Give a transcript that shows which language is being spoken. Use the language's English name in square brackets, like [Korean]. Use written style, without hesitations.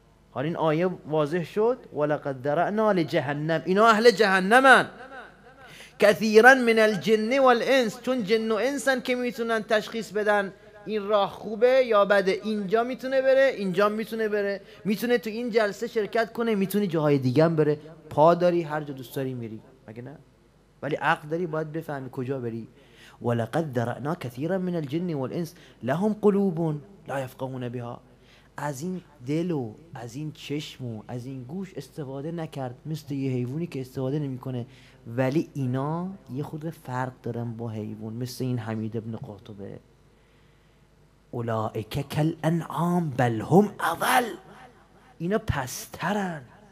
[Persian] حال این آیه واضح شد، [Arabic] ولقد ذرأنا لجهنم، [Persian] اینا اهل جهنمن، [Arabic] کثیرا من الجن والانس، [Persian] چون جن و انسن که میتونن تشخیص بدن این راه خوبه یا بده، اینجا میتونه بره، اینجا میتونه بره، میتونه تو این جلسه شرکت کنه، میتونه جاهای دیگه هم بره. پا داری هر جا دوست داری میری، مگه نه؟ ولی عقل داری باید بفهمی کجا بری. [Arabic] ولقد ذرأنا كثيرا من الجن والإنس لهم قلوب لا يفقهون بها. [Persian] ازين دلو ازين چشمو ازين گوش استفاده نکرد مثل یه حیوانی که استفاده نمیکنه، ولی اینا یه خود فرق دارن با حیوان، مثل این حمید ابن قاطبه. [Arabic] اولائک کالانعام بل هم اضل، [Persian] اینا پسترن.